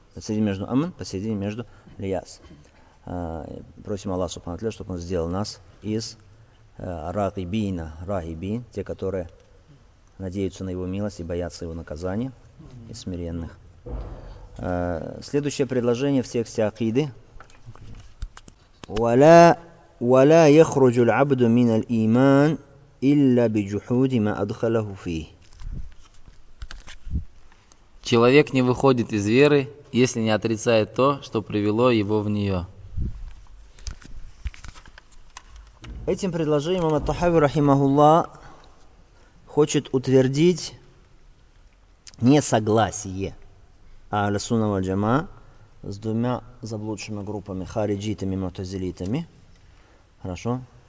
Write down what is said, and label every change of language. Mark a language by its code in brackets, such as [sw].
[ru] Посередине между аман, посередине между лияс. Просим Аллаха Субхану Та'аля, чтобы Он сделал нас из рагибина, рагибин, те, которые надеются на Его милость и боятся Его наказания, и смиренных. Следующее предложение в тексте акиды. [ar] Валя ولا يخرج العبد من الإيمان إلا بجحود ما أدخله فيه. [ru] Человек не выходит из веры, если не отрицает то, что привело его в нее. Этим предложением имам ат-Тахави рахимахуллах хочет утвердить несогласие Ахлиссунна валь-Джамаа с двумя заблудшими группами, хариджитами и мутазилитами. Хорошо.